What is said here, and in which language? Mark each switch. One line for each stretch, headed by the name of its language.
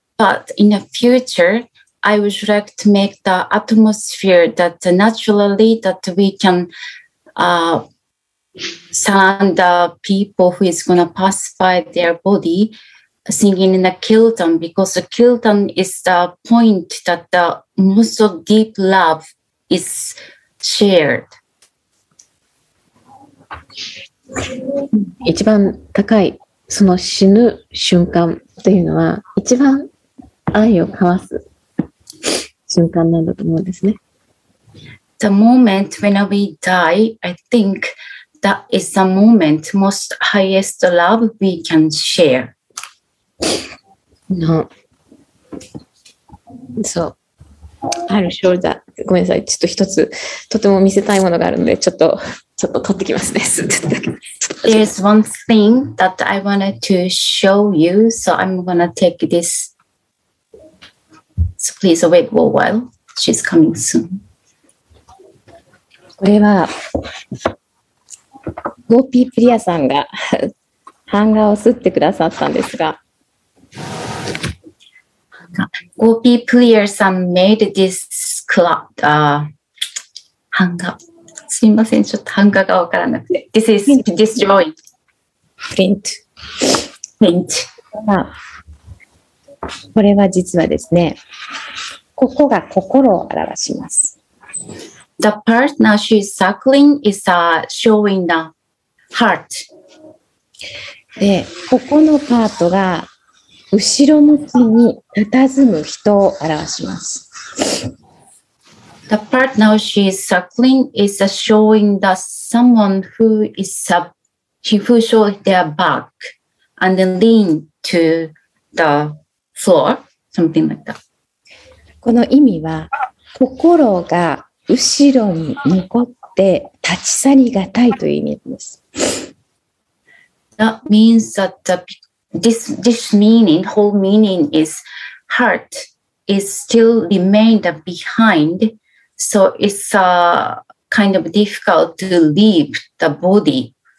English: But in the future, I would like to make the atmosphere that naturally that we can surround the people who is going to pass by their body singing in the kirtan, because the kirtan is the point that the most of deep love is shared.
Japanese: 一番高いその死ぬ瞬間というのは一番愛を交わす瞬間なんだと思うんですね。
English: The moment when we die, I think that is the moment most highest love we can share. No. So, I'll show that.
Japanese: ごめんなさい。ちょっと一つとても見せたいものがあるので、ちょっと撮ってきますね。
English: There's one thing that I wanted to show you, so I'm gonna take this. So please wait for a while. She's coming soon.
Japanese: これはゴーピープリアさんが版画を刷ってくださったんですが。
English: Gopi player さん made this cloth, 版画。
Japanese: すみません、ちょっと版画がわからなくて。
English: This is this drawing. Print. Print.
Japanese: これは実はですね、ここが心を表します。
English: The part now she's circling is showing the heart.
Japanese: で、ここのパートが後ろ向きに佇む人を表します。
English: The part now she's circling is showing the someone who is a, who show their back and then lean to the floor, something like that.
Japanese: この意味は、心が後ろに残って立ち去りがたいという意味です。
English: That means that the, this meaning, whole meaning is heart is still remained behind, so it's a kind of difficult to leave the body.